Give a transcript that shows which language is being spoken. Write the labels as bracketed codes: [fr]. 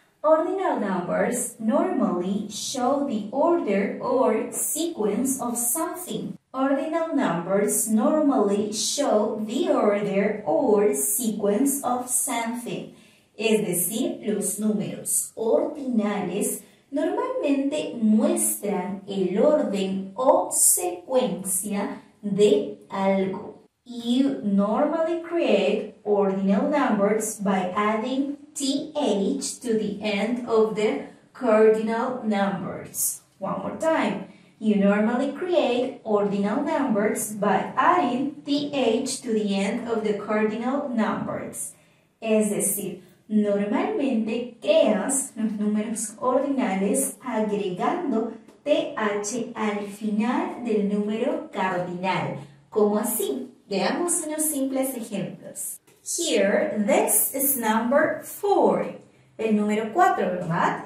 [en] Ordinal numbers normally show the order or sequence of something. Ordinal numbers normally show the order or sequence of something. [es] Es decir, los números ordinales normalmente muestran el orden o secuencia de algo. [en] You normally create ordinal numbers by adding th to the end of the cardinal numbers. One more time. You normally create ordinal numbers by adding th to the end of the cardinal numbers. [es] Es decir, normalmente creas los números ordinales agregando th al final del número cardinal. ¿Cómo así? Veamos unos simples ejemplos. [en] Here, this is number 4. [es] El número 4, ¿verdad?